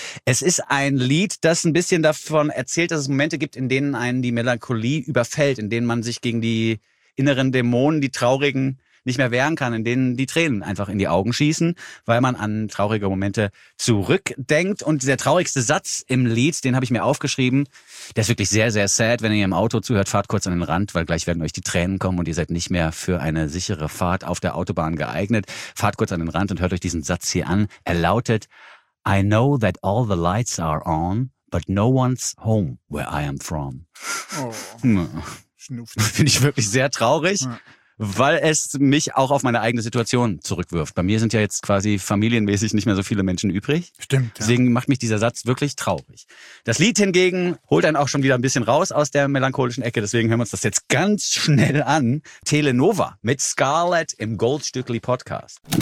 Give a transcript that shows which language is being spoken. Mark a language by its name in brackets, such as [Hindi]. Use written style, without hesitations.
[German] Es ist ein Lied, das ein bisschen davon erzählt, dass es Momente gibt, in denen einen die Melancholie überfällt, in denen man sich gegen die inneren Dämonen, die Traurigen, nicht mehr wehren kann, in denen die Tränen einfach in die Augen schießen, weil man an traurige Momente zurückdenkt. Und der traurigste Satz im Lied, den habe ich mir aufgeschrieben, der ist wirklich sehr, sehr sad. Wenn ihr im Auto zuhört, fahrt kurz an den Rand, weil gleich werden euch die Tränen kommen und ihr seid nicht mehr für eine sichere Fahrt auf der Autobahn geeignet. Fahrt kurz an den Rand und hört euch diesen Satz hier an. Er lautet: [English] I know that all the lights are on, but no one's home where I am from. Oh. [German] Finde ich wirklich sehr traurig. Weil es mich auch auf meine eigene Situation zurückwirft. Bei mir sind ja jetzt quasi familienmäßig nicht mehr so viele Menschen übrig. Stimmt. Ja. Deswegen macht mich dieser Satz wirklich traurig. Das Lied hingegen holt einen auch schon wieder ein bisschen raus aus der melancholischen Ecke. Deswegen hören wir uns das jetzt ganz schnell an. Telenova mit Scarlett im Goldstückli Podcast.